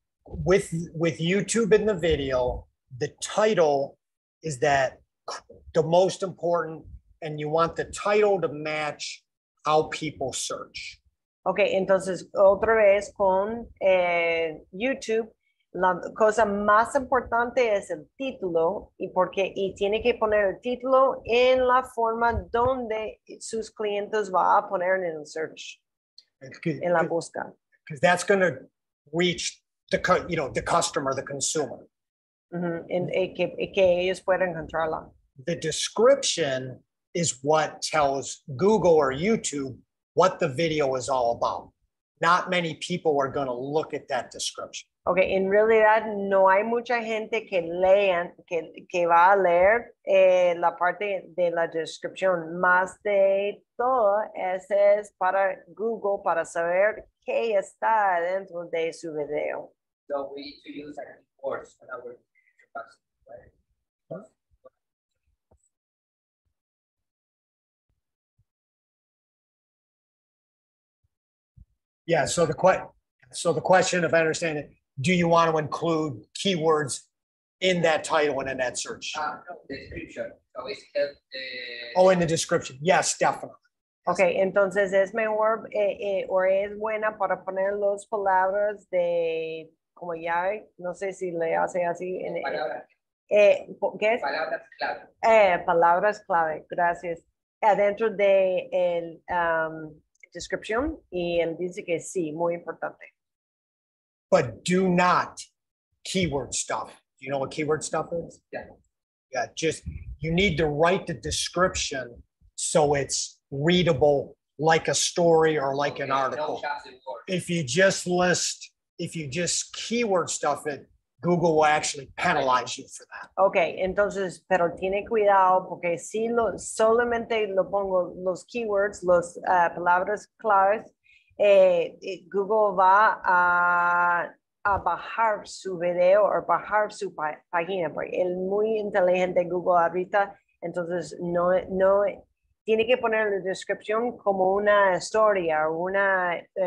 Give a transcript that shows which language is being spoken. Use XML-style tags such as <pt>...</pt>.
<en>With YouTube in the video, the title is that the most important, and you want the title to match how people search.</en> <es>Okay, entonces otra vez con YouTube, la cosa más importante es el título y tiene que poner el título en la forma donde sus clientes va a poner en el search, en la busca.</es> <en>Because that's going to reach the customer, the consumer.</en> <es>Mm-hmm. Y que ellos puedan encontrarla.</es> <en>The description is what tells Google or YouTube what the video is all about. Not many people are going to look at that description.</en> <es>Okay, en realidad no hay mucha gente que lean que va a leer la parte de la descripción. Más de todo ese es para Google para saber qué está dentro de su video.</es> <en>So we need to use keywords in our capacity, right? Yeah, so the question, if I understand it, do you want to include keywords in that title and in that search? Description. In the description. Yes, definitely.</en> <es>Okay, entonces es mejor o es buena para poner las palabras de como ya, no sé si le hace así. Palabras clave. Palabras clave, gracias. Adentro de el... description y él dice que sí, muy importante.</es> <en>But do not keyword stuff. Do you know what keyword stuff is? Yeah. Yeah, just you need to write the description so it's readable like a story or like an article. If you just keyword stuff it, Google will actually penalize you for that.</en> <es>Okay, entonces, pero tiene cuidado porque si lo, solamente lo pongo los keywords, los palabras claves, Google va a bajar su video o bajar su página. Porque el muy inteligente Google ahorita, entonces no tiene que poner la descripción como una historia o una...</es>